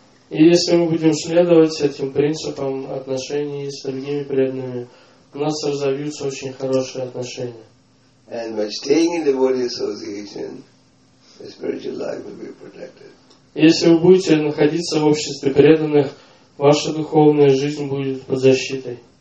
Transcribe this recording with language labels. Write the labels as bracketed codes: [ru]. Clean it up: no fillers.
[ru] И если мы будем следовать этим принципам отношений с другими преданными, у нас разовьются очень хорошие отношения. [en] And by staying in the body association, the spiritual life will be protected. [ru] Если вы будете находиться в обществе преданных, ваша духовная жизнь будет под защитой.